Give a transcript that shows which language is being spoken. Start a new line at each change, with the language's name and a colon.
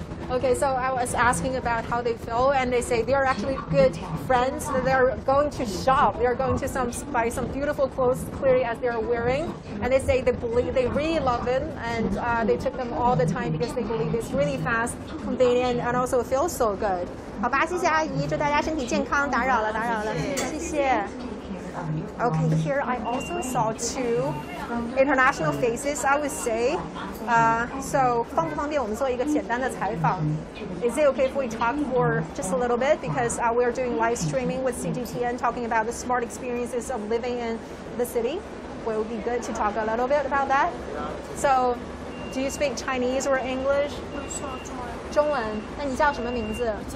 English: Okay, so I was asking about how they feel, and they say they are actually good friends. They are going to shop. They are going to buy some beautiful clothes, clearly as they are wearing. And they say they really love it, and they took them all the time because they believe it's really fast, convenient, and also feels so good.
Chinese: 好吧，谢谢阿姨，祝大家身体健康。打扰了，打扰了，谢谢。
English: Okay, here I also saw two international faces, I would say.
Chinese: So, 方不方便我们做一个简单的采访?
English: Is it okay if we talk for just a little bit? Because we are doing live streaming with CGTN, talking about the smart experiences of living in the city. Well, it would be good to talk a little bit about that. So, do you speak Chinese or English?
Chinese: 中文。中文。那你叫什么名字?